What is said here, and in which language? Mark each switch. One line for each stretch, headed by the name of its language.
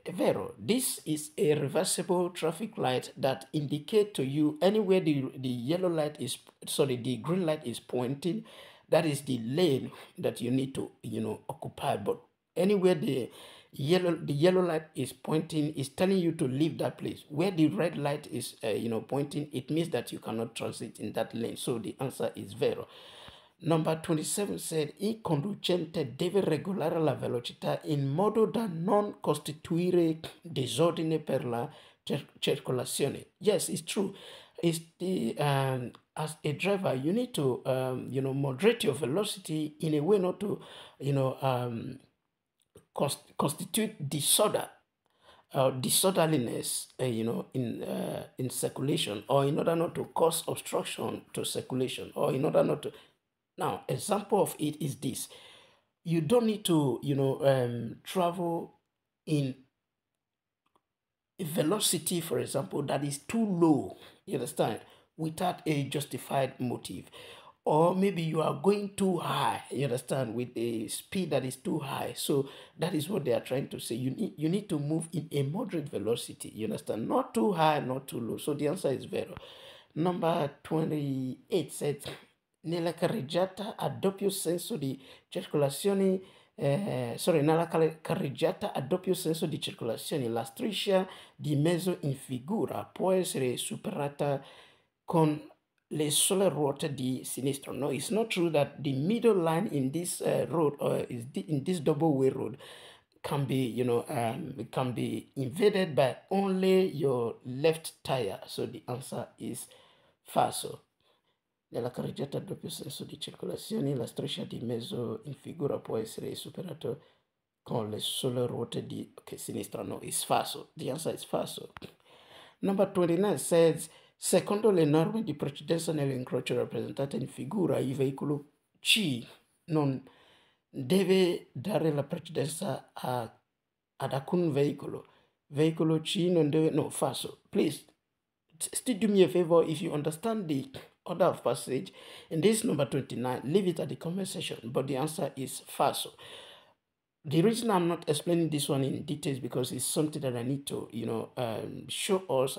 Italian: È vero,
English: this is a reversible traffic light that indicate to you anywhere the yellow light is, sorry, the green light is pointing, that is the lane that you need to, you know, occupy. But anywhere the yellow light is pointing, is telling you to leave that place. Where the red light is, you know, pointing, it means that you cannot transit in that lane. So the answer is vero. Number 27 said,
Italian: il conducente deve regolare la velocità in modo da non costituire disordine per la circolazione.
English: Yes, it's true. It's the as a driver, you need to you know, moderate your velocity in a way not to, you know, constitute disorder, disorderliness, you know, in circulation, or in order not to cause obstruction to circulation, or in order not to. Now, example of it is this: you don't need to, you know, travel in a velocity, for example, that is too low, you understand, without a justified motive. Or maybe you are going too high, you understand, with a speed that is too high. So that is what they are trying to say. You need to move in a moderate velocity, you understand, not too high, not too low. So the answer is vero. Number 28 said,
Italian: nella carreggiata a doppio senso di circolazione, nella carreggiata a doppio senso di circolazione, la striscia di mezzo in figura può essere superata con le sole ruote di sinistra.
English: No, it's not true that the middle line in this road, or in this double way road, can be, you know, can be invaded by only your left tire. So the answer is falso.
Italian: Nella carreggiata a doppio senso di circolazione, la striscia di mezzo in figura può essere superata con le sole ruote di sinistra.
English: No, it's falso. The answer is falso. Number 29 says,
Italian: secondo le norme di precedenza nell'incrocio rappresentate in figura, il veicolo C non deve dare la precedenza ad alcun veicolo. Veicolo C non deve.
English: No, falso. Please, still do me a favor. If you understand the order of passage in this number 29, leave it at the comment section. But the answer is falso. The reason I'm not explaining this one in details because it's something that I need to, you know, show us.